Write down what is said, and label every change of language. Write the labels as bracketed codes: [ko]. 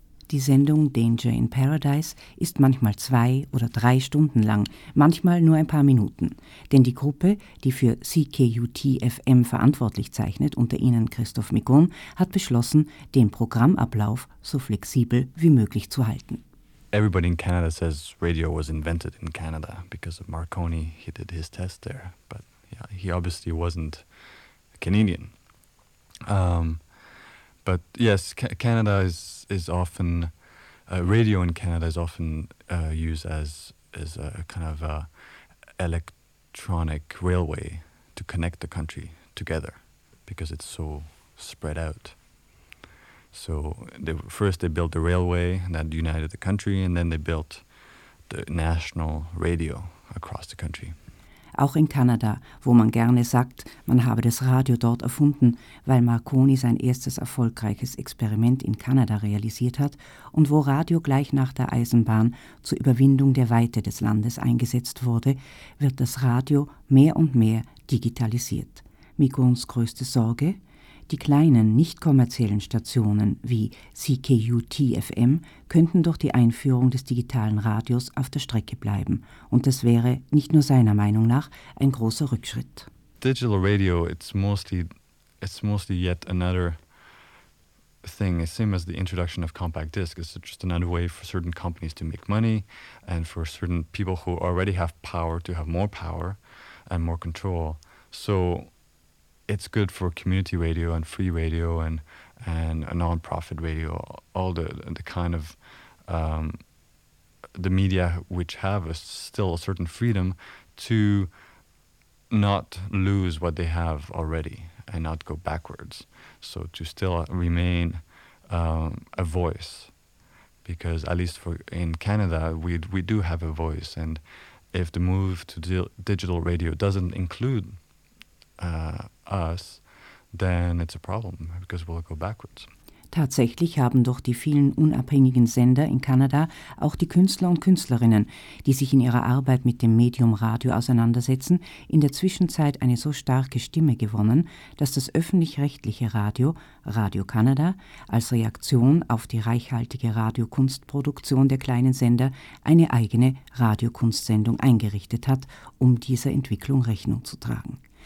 [de] Die Sendung Danger in Paradise ist manchmal 2 oder 3 Stunden lang, manchmal nur ein paar Minuten. Denn die Gruppe, die für CKUT-FM verantwortlich zeichnet, unter ihnen Christophe Migon, hat beschlossen, den Programmablauf so flexibel wie möglich zu halten. [en] Everybody in Canada says radio was invented in Canada because of Marconi. He did his test there, but yeah, he obviously wasn't a Canadian. But yes, Canada is often radio in Canada is often used as a kind of a electronic railway to connect the country together, because it's so spread out. So first they built the railway that united the country, and then they built the national radio across the country. [de] Auch in Kanada, wo man gerne sagt, man habe das Radio dort erfunden, weil Marconi sein erstes erfolgreiches Experiment in Kanada realisiert hat und wo Radio gleich nach der Eisenbahn zur Überwindung der Weite des Landes eingesetzt wurde, wird das Radio mehr und mehr digitalisiert. Migons größte Sorge? Die kleinen, nicht kommerziellen Stationen wie CKUT-FM könnten durch die Einführung des digitalen Radios auf der Strecke bleiben. Und das wäre, nicht nur seiner Meinung nach, ein großer Rückschritt. [en] Digital radio, it's mostly yet another thing, same as the introduction of compact disc, is just another way for certain companies to make money and for certain people who already have power to have more power and more control. So it's good for community radio and free radio and a non-profit radio, all the kind of the media which have still a certain freedom to not lose what they have already and not go backwards. So to still remain a voice, because at least in Canada, we do have a voice. And if the move to digital radio doesn't include us, then it's a problem, because we'll go backwards. [de] Tatsächlich haben durch die vielen unabhängigen Sender in Kanada auch die Künstler und Künstlerinnen, die sich in ihrer Arbeit mit dem Medium Radio auseinandersetzen, in der Zwischenzeit eine so starke Stimme gewonnen, dass das öffentlich-rechtliche Radio, Radio Kanada, als Reaktion auf die reichhaltige Radiokunstproduktion der kleinen Sender eine eigene Radiokunstsendung eingerichtet hat, um dieser Entwicklung Rechnung zu tragen.